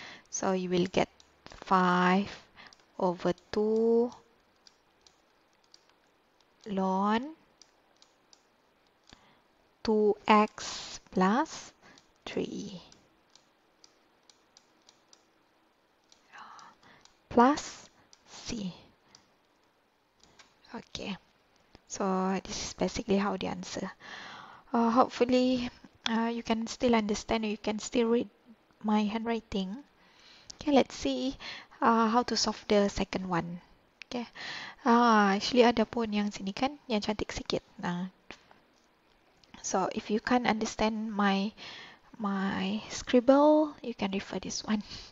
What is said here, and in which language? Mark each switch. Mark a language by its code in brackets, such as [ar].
[en] So, you will get 5 over 2 ln 2x plus 3 plus C. Okay. So, this is basically how the answer. Hopefully, you can still understand, you can still read my handwriting. Okay, let's see how to solve the second one. Okay. [ms] Actually, ada pun yang sini kan, yang cantik sikit. [en] So, if you can't understand my scribble, you can refer this one.